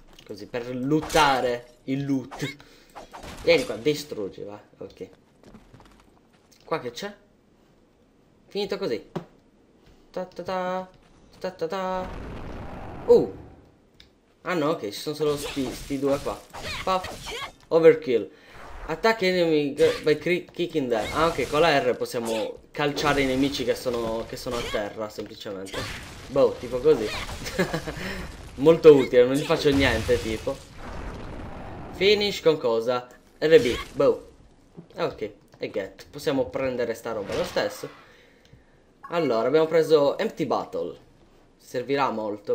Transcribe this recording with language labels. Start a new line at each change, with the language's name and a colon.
Italian: Così, per lootare il loot. Vieni qua, distruggi, va. Ok. Qua che c'è? Finito così. Ta-ta-ta. Ta-ta-ta. Ah no, ok, ci sono solo sti due qua. Puff. Overkill.
English: Attack enemy by kicking them.
Italian: Ah, ok, con la R possiamo calciare i nemici che sono a terra, semplicemente. Boh, tipo così. Molto utile, non gli faccio niente, tipo. Finish con cosa? RB, boh. Ok, e get. Possiamo prendere sta roba lo stesso. Allora, abbiamo preso Empty Battle. Servirà molto.